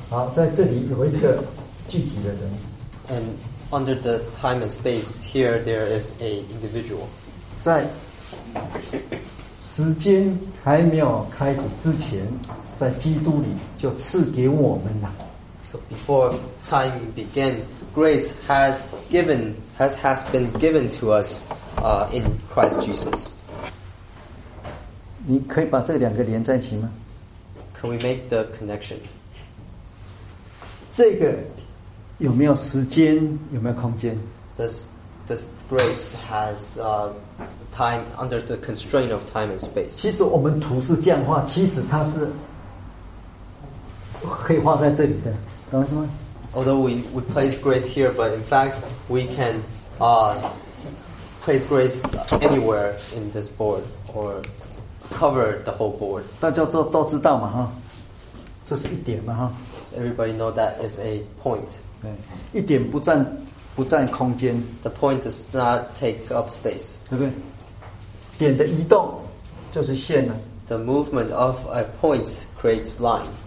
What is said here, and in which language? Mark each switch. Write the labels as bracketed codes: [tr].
[zh] 好，在这里有一个具体的人。 [en] And under the time and space here, there is a individual. [zh] 在时间还没有开始之前，在基督里就赐给我们了。 [en] So before time began, grace has been given to us in Christ Jesus. [zh] 你可以把这两个连在一起吗？ [en] Can we make the connection? [zh] 这个有没有时间？有没有空间？ [en] Does grace has time under the constraint of time and space? [zh] 其实我们图是这样画，其实它是可以画在这里的，懂什么？ [en] Although we place grace here, but in fact we can place grace anywhere in this board or cover the whole board. [zh] 大家都知道嘛，哈，这是一点嘛，哈。 [en] Everybody know that is a point. [zh] 对，一点不占空间。 [en] The point does not take up space. [zh] 对不对？点的移动就是线了。 [en] The movement of a point creates line.